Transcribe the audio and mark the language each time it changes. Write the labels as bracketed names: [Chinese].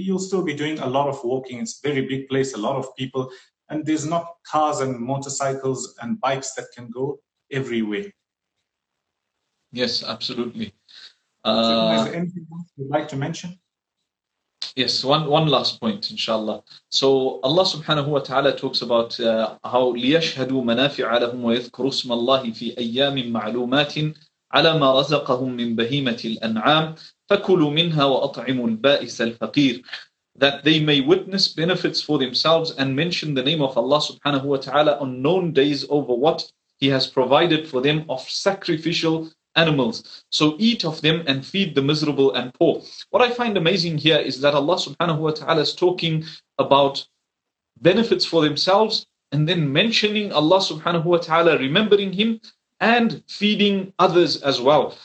[English] You'll still be doing a lot of walking. It's a very big place, a lot of people. And there's not cars and motorcycles and bikes that can go everywhere. Yes, absolutely. Anything else you'd like to mention? Yes, one last point, inshallah. So Allah subhanahu wa ta'ala talks about how [Arabic] لِيَشْهَدُوا مَنَافِعَ لَهُمْ وَيَذْكُرُوا اسْمَ اللَّهِ فِي أَيَّامٍ مَعْلُومَاتٍ عَلَى مَا رَزَقَهُمْ مِنْ بَهِيمَةِ الْأَنْعَامِ فَكُلُوا مِنْهَا وَأَطْعِمُوا الْبَائِسَ الْفَقِيرِ. [English] That they may witness benefits for themselves and mention the name of Allah subhanahu wa ta'ala on known days over what He has provided for them of sacrificial animals. So eat of them and feed the miserable and poor. What I find amazing here is that Allah subhanahu wa ta'ala is talking about benefits for themselves and then mentioning Allah subhanahu wa ta'ala, remembering Him and feeding others as well.